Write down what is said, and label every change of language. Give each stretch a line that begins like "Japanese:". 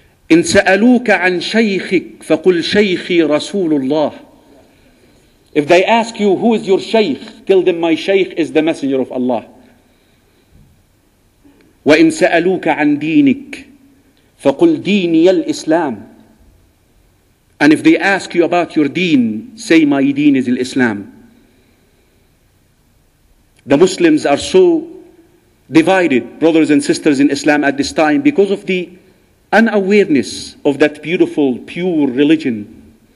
Arabic: إن سألوك عن شيخك فقل شيخي رسول الله.
English: If they ask you who is your sheikh, tell them my sheikh is the messenger of Allah.
Arabic: وإن سألوك عن دينك فقل ديني الإسلام.
English: And if they ask you about your deen, say my deen is Islam. The Muslims are so divided, brothers and sisters in Islam at this time, because of the unawareness of that beautiful, pure religion.